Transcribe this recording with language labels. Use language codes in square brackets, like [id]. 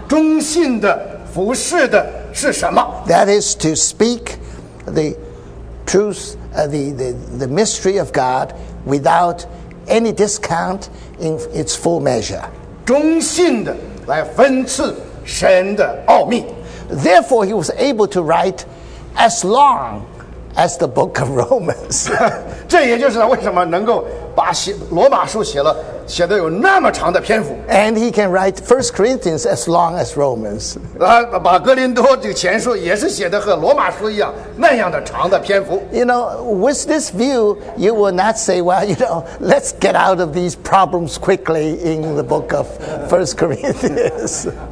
[zh] 他当然也更清楚他忠信的服侍的是什么, [en] that is to speak the truth, the mystery of God without any discount in its full measure. [zh] 忠信的来分赐神的奥秘。 [en] Therefore, he was able to write as long as the book of Romans. [zh] 这也就是他为什么能够把罗马书写得有那么长的篇幅。 [en] And he can write 1 Corinthians as long as Romans. [zh] 把哥林多这个前书也是写得和罗马书一样那样的长的篇幅。 [en] You know, with this view, you will not say, well, you know, let's get out of these problems quickly in the book of 1 Corinthians.